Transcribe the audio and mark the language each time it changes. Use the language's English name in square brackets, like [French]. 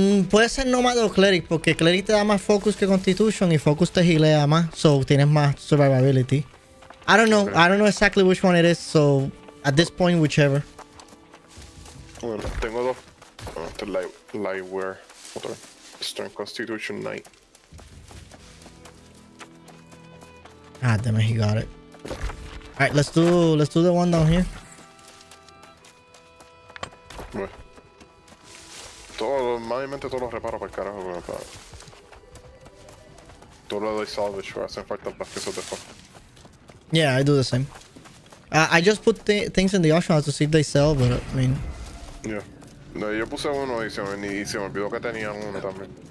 [Spanish] Puede ser Nomad o Cleric, porque Cleric te da más Focus que Constitution y Focus te gilea más, so tienes más survivability. [English] I don't know, okay. I don't know exactly which one it is, so... At this point, whichever. [Spanish] Bueno, tengo dos. Este Lightwear. Otro. [English] Strength Constitution Knight. Ah, damn it, he got it. Alright, let's do the one down here. [Spanish] Bueno. Todo, más en mente todo lo reparo para el carajo. Bueno, para... Todo lo doy salvage, pero hacen falta las piezas de fuck. [English] Yeah, I do the same. I just put things in the auction to see if they sell, but, I mean... [Spanish] Yeah. No, yo puse uno y se me olvidó que tenía uno también.